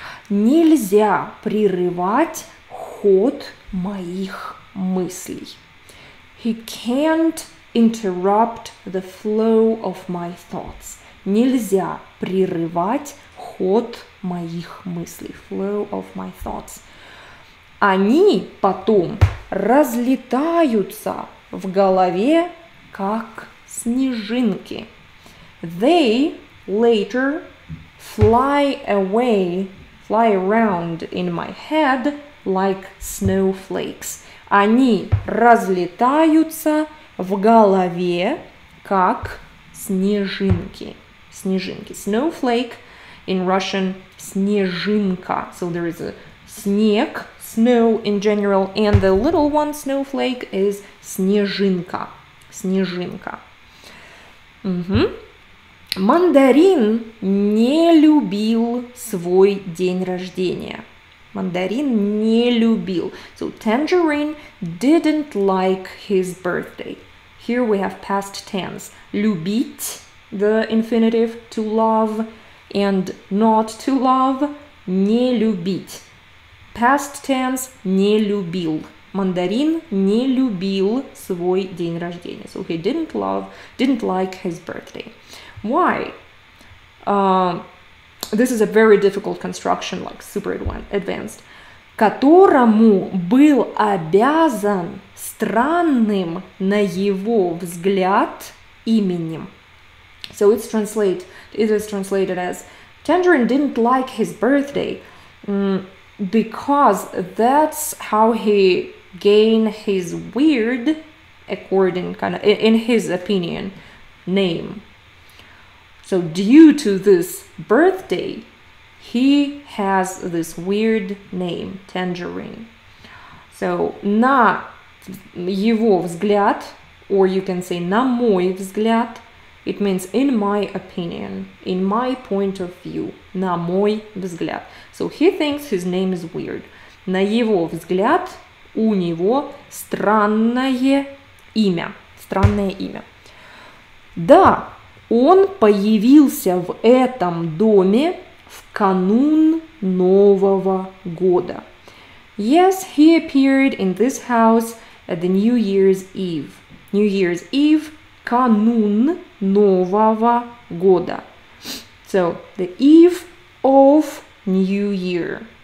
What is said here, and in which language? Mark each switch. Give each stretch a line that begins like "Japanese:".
Russian: Нельзя прерывать ход моих мыслей.
English: He can't interrupt the flow of my thoughts.
Russian: Нельзя прерывать ход моих мыслей.
English: Flow of my thoughts.
Russian: Они потом разлетаются в голове, как снежинки.
English: They later fly away, fly around in my head like snowflakes.
Russian: Они разлетаются в голове, как снежинки.
English: Снежинки. Snowflake in Russian, снежинка. So there is a снег, snow in general, and the little one, snowflake, is снежинка.
Russian: Снежинка. Mm-hmm. Мандарин не любил свой день рождения. Мандарин не любил.
English: So tangerine didn't like his birthday. Here we have past tense. Любить, the infinitive, to love, and not to love,
Russian: не любить.
English: Past tense,
Russian: не любил. Мандарин не любил свой день рождения.
English: So he didn't love, didn't like his birthday. Why? This is a very difficult construction, like super advanced.
Russian: Которому был обязан странным, на его взгляд, именем.
English: So it's translate, it is translated as Tangerine didn't like his birthday because that's how he gained his weird, according, kind of, in his opinion, name. So due to this birthday, he has this weird name, Tangerine. So
Russian: на его взгляд,
English: or you can say
Russian: на мой взгляд,
English: it means in my opinion, in my point of view, на мой взгляд. So he thinks his name is weird.
Russian: На его взгляд, у него странное имя. Странное имя. Да. Он появился в этом доме в канун Нового года.
English: Yes, he appeared in this house at the New Year's Eve. New Year's Eve,
Russian: канун Нового года.
English: So, the eve of New Year.